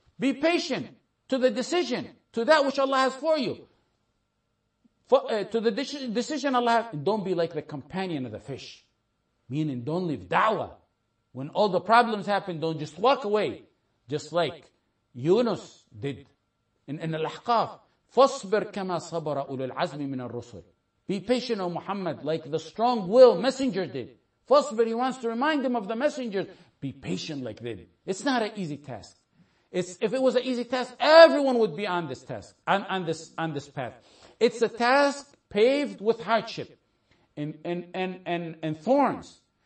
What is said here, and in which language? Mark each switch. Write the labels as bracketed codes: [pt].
[en] Be patient to the decision, to that which Allah has for you. To the decision Allah has, don't be like the companion of the fish. Meaning don't leave da'wah. When all the problems happen, don't just walk away, just like Yunus did in Al-Ahqaf. [ar] فَصْبِرْ كَمَا صَبَرَ أُولُو الْعَزْمِ مِنَ الرُّسُلِ. [en] Be patient, O Muhammad, like the strong will messenger did. فَصْبِرْ, he wants to remind him of the messengers. Be patient like them. It's not an easy task. If it was an easy task, everyone would be on this task, on this path. It's a task paved with hardship and thorns.